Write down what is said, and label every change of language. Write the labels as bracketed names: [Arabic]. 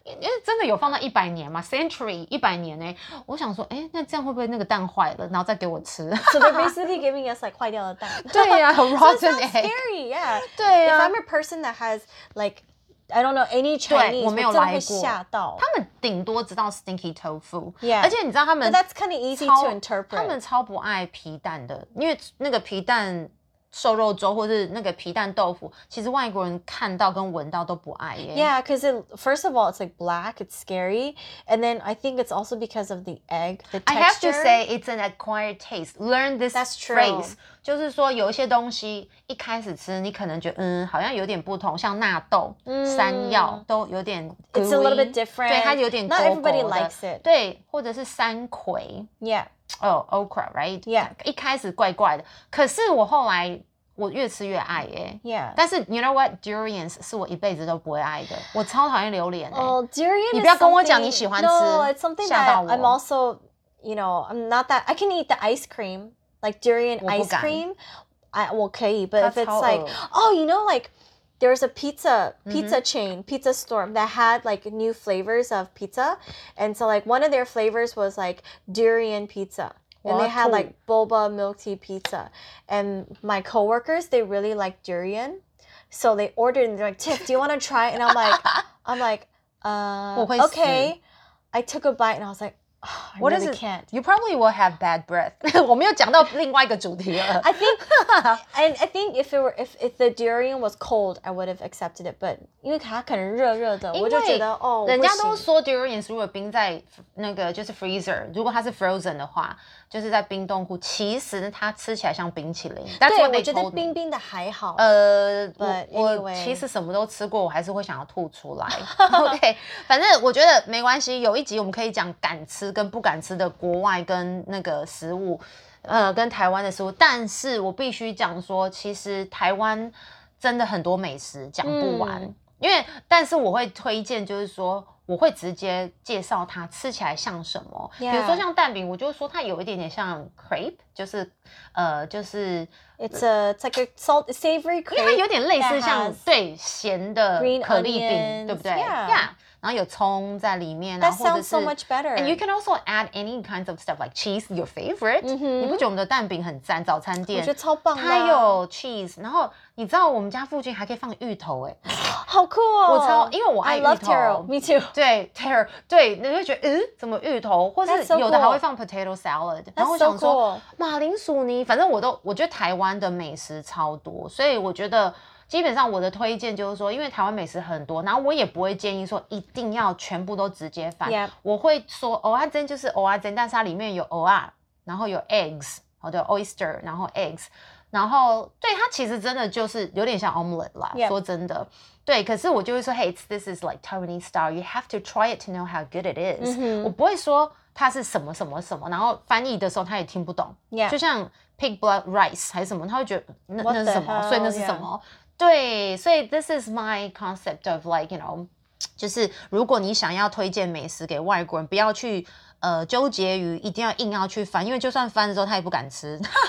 [Chinese] 因为真的有放到一百年嘛 ？Century 一百年哎、欸，我想说，哎，那这样会不会那个蛋坏了，然后再给我吃 [English] ？So they're basically giving us like [Chinese] 坏掉的蛋。对呀、啊、， [English] rotten egg. So it's scary, yeah. [Chinese] 对。 [English] If I'm a person that has like, I don't know any Chinese, [Chinese] 对，我没有来过，我真的会吓到。他们顶多知道 stinky tofu， [English] yeah, [Chinese] 而且你知道他们 [English] But that's kind of easy to interpret. [Chinese] 他们超不爱皮蛋的，因为那个皮蛋瘦肉粥或是那个皮蛋豆腐，其实外国人看到跟闻到都不爱耶。 [English] Yeah, because it, first of all, it's like black, it's scary, and then I think it's also because of the egg, the texture. I have to say it's an acquired taste. Learn this that's phrase. True. [Chinese] 就是说，有一些东西一开始吃，你可能觉得好像有点不同，像纳豆、山药都有点 gooey, [English] ，It's a little bit different， [Chinese] 对，它有点 [English] Not everybody likes it， [Chinese] 对，或者是山葵 [English] ，Yeah，哦、oh, ，okra， right， Yeah， [Chinese] 一开始怪怪的，可是我后来我越吃越爱耶、欸、 [English] ，Yeah， [Chinese] 但是 [English] you know what， [Chinese] durians 是我一辈子都不会爱的，我超讨厌榴莲 [English] 哦、欸 oh, ，durian， [Chinese] 你不要跟我讲你喜欢吃 [English] ，No， it's something that I'm also， you know， I'm not that I can eat the ice cream。 Like durian ice cream, I [Chinese] 我可以 [English] but if it's like, oh, you know, like there's a pizza chain, pizza store that had like new flavors of pizza. And so like one of their flavors was like durian pizza. And they had like boba milk tea pizza. And my coworkers, they really like durian. So they ordered and they're like, Tiff, do you want to try? And I'm like, okay. I took a bite and I was like, What is it? Can't. You probably will have bad breath. [Chinese] 我们又讲到另外一个主题了 [English] I think, and I think if it were if the durian was cold, I would have accepted it. [Chinese] But 因为它可能热热的，我就觉得哦，人家都说 durian 如果冰在那个就是 freezer， 如果它是 frozen 的话，就是在冰冻库，其实它吃起来像冰淇淋。对，我觉得冰冰的还好。我其实什么都吃过，我还是会想要吐出来。 OK， 反正我觉得没关系。有一集我们可以讲敢吃。跟不敢吃的国外跟那个食物，跟台湾的食物，但是我必须讲说，其实台湾真的很多美食讲不完，嗯，因为但是我会推荐，就是说我会直接介绍它吃起来像什么， yeah. 比如说像蛋饼，我就说它有一点点像 crepe， 就是就是 [English] it's like a salt savory crepe， [Chinese] 因为它有点类似像对咸的可丽饼，对不对？ [English] Yeah. Yeah. [Chinese] 然后有葱在里面啊， [English] That sounds so much better. And you can also add any kinds of stuff like cheese, your favorite. Mm-hmm. [Chinese] 你不觉得我们的蛋饼很赞？早餐店我觉得超棒的，它有 cheese， 然后你知道我们家附近还可以放芋头，欸，好酷哦！我超因为我爱芋头， [English] I love taro, me too. [Chinese] 对 taro， 对，你会觉得怎么芋头，或是有的还会放 potato salad， [English] That's、 [Chinese] 然后我想说、 [English] so cool. [Chinese] 马铃薯泥，反正我觉得台湾的美食超多，所以我觉得。基本上我的推荐就是说，因为台湾美食很多，然后我也不会建议说一定要全部都直接翻。 [English] Yep. [Chinese] 我会说蚵仔煎就是蚵仔煎，但是它里面有蚵仔，然后有 eggs， 好的 oyster， 然后 eggs， 然后对它其实真的就是有点像 omelette 啦。 [English] Yep. [Chinese] 说真的，对，可是我就会说 ， [English] Hey， this is like Taiwanese style. You have to try it to know how good it is.、 Mm-hmm. [Chinese] 我不会说它是什么什么什么，然后翻译的时候他也听不懂。 [English] Yeah. [Chinese] 就像 [English] pig blood rice [Chinese] 还是什么，他会觉得 [English] What [Chinese] 那是什么？ [English] Hell? [Chinese] 所以那是什么？ [English] Yeah. [Chinese] 对，所以 [English] this is my concept of like, you know, [Chinese] 就是如果你想要推荐美食给外国人，不要去纠结于一定要硬要去翻，因为就算翻之后他也不敢吃。